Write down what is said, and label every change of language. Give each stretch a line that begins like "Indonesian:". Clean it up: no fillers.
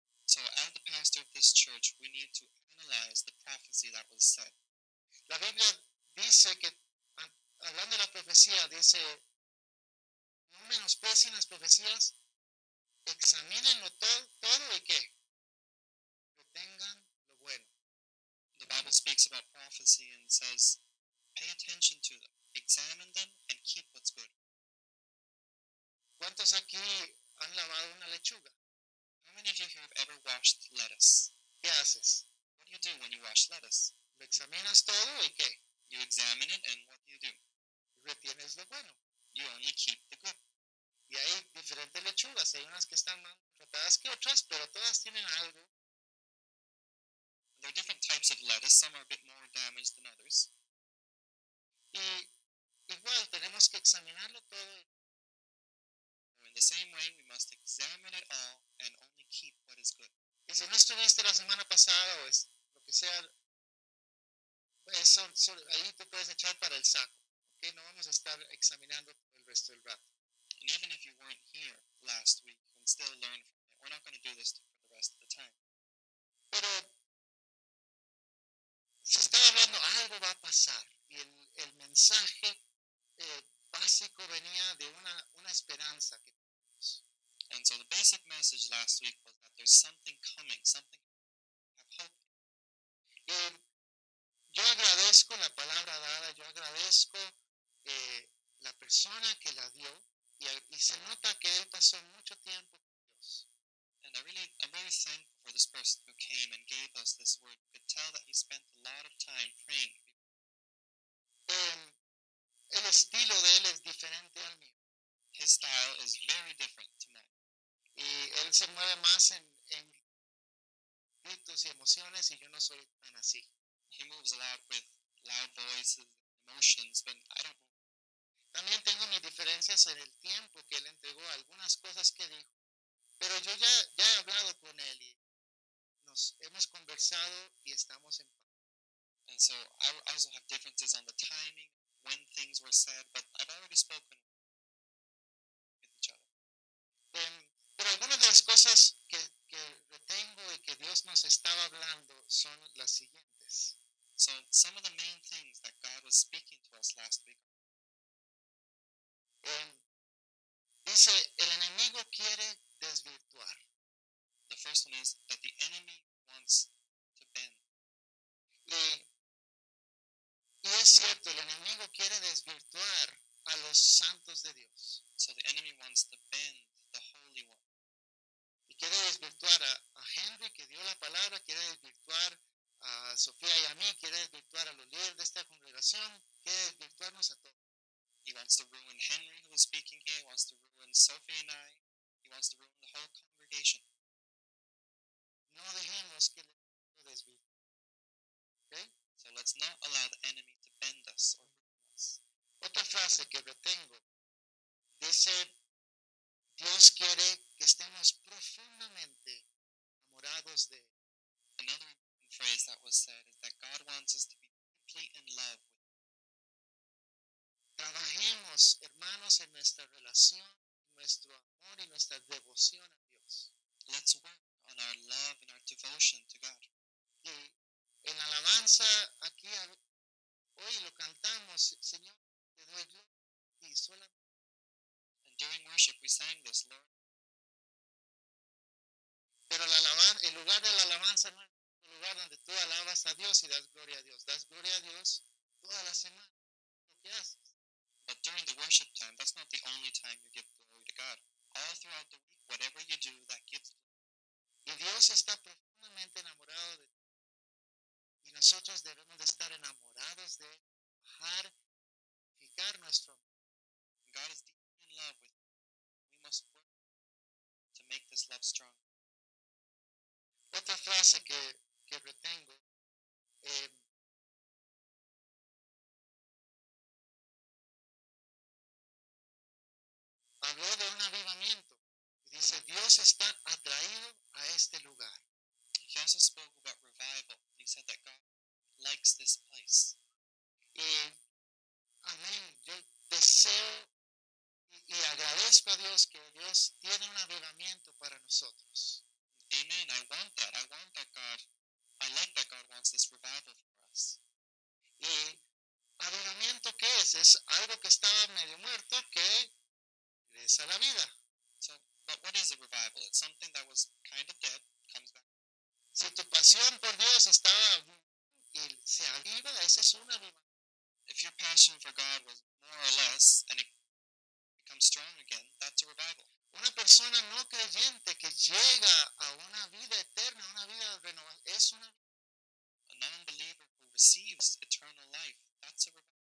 English: So as the pastor of this church, we need to analyze the prophecy that was said.
Spanish: La Biblia dice que, hablando de la profecía, dice, no menosprecien las profecías, examínenlo todo y qué. Retengan lo bueno.
English: The Bible speaks about prophecy and says, pay attention to them, examine them, and keep what's good.
Spanish: ¿Cuántos aquí han lavado una lechuga?
English: How many of you here have ever washed lettuce?
Spanish: ¿Qué haces?
English: What do you do when you wash lettuce?
Spanish: ¿Lo examinas todo y qué?
English: You examine it, and what do?
Spanish: Retienes lo bueno.
English: You only keep the good.
Spanish: Y hay diferentes lechugas. Hay unas que están más tratadas que otras, pero todas tienen algo.
English: There are different types of lettuce. Some are a bit more damaged than others.
Spanish: Y igual, tenemos que examinarlo todo.
English: In the same way, we must examine it all and only keep what is good.
Spanish: Y si no estuviste la semana pasada o es lo que sea, eso, ahí te puedes echar para el saco. Okay? No vamos a estar examinando el resto del rato.
English: And even if you weren't here last week, you can still learn from it. We're not going to do this for the rest of the time.
Spanish: Pero se está hablando, algo va a pasar. Y el mensaje básico venía de una esperanza que tenemos.
English: And so the basic message last week was that there's something coming, something of hope.
Spanish: Y yo agradezco la palabra dada, yo agradezco la persona que la dio. Y se nota que él pasó mucho tiempo con Dios.
English: And I'm very thankful for this person who came and gave us this word. You could tell that he spent a lot of time praying.
Spanish: El estilo de él es diferente al mío.
English: His style is very different to mine.
Spanish: Y él se mueve más en gritos y emociones, y yo no soy tan así.
English: He moves a lot with loud voices and emotions, but I don't.
Spanish: También tengo mis diferencias en el tiempo que él entregó, algunas cosas que dijo. Pero yo ya he hablado con él y nos hemos conversado y estamos en paz.
English: And so I also have differences on the timing, when things were said, but I've already spoken with each other.
Spanish: Pero algunas de las cosas que retengo y que Dios nos estaba hablando son las siguientes.
English: So some of the main things that God was speaking to us last week.
Spanish: Dice, el enemigo quiere desvirtuar.
English: The first one is that the enemy wants to bend.
Spanish: Y es cierto, el enemigo quiere desvirtuar a los santos de Dios.
English: So the enemy wants to bend the Holy One.
Spanish: Y quiere desvirtuar a Henry, que dio la palabra, quiere desvirtuar a Sofía y a mí, quiere desvirtuar a los líderes de esta congregación, quiere desvirtuarnos a todos.
English: He wants to ruin Henry, who is speaking here. He wants to ruin Sophie and I. He wants to ruin the whole congregation.
Spanish: No dejemos que le desvíe. Okay?
English: So let's not allow the enemy to bend us or ruin us.
Spanish: Otra frase que retengo dice, Dios quiere que estemos profundamente enamorados de él.
English: Another phrase that was said is that God wants us to be deeply in love.
Spanish: Trabajemos, hermanos, en nuestra relación, nuestro amor y nuestra devoción a Dios.
English: Let's work on our love and our devotion to God.
Spanish: Y en alabanza aquí, hoy lo cantamos, Señor, te doy gloria y solamente.
English: And during worship we sang this, Lord.
Spanish: Pero el lugar de la alabanza no es el lugar donde tú alabas a Dios y das gloria a Dios. Das gloria a Dios toda la semana. ¿Lo que haces?
English: But during the worship time, that's not the only time you give glory to God. All throughout the week, whatever you do, that gives glory.
Spanish: Y Dios está profundamente enamorado de ti. Y nosotros debemos de estar enamorados de bajar, fijar nuestro amor.
English: God is deeply in love with you. We must work to make this love strong.
Spanish: Otra frase que retengo. Habló de un avivamiento. Dice, Dios está atraído a este lugar.
English: He also spoke about revival. He said that God likes this place.
Spanish: Y, amén. Yo deseo y agradezco a Dios que Dios tiene un avivamiento para nosotros.
English: Amen. I want that. I want that God. I like that God wants this revival for us.
Spanish: ¿Y avivamiento qué es? Es algo que estaba medio muerto que regresa a la vida.
English: So, but what is a revival? It's something that was kind of dead, comes back.
Spanish: Si tu pasión por Dios estaba y se aviva, ese es un avivamiento.
English: If your passion for God was more or less and it becomes strong again, that's a revival.
Spanish: Una persona no creyente que llega a una vida eterna, una vida renovada, es una
English: a non-believer who receives eternal life, that's a revival.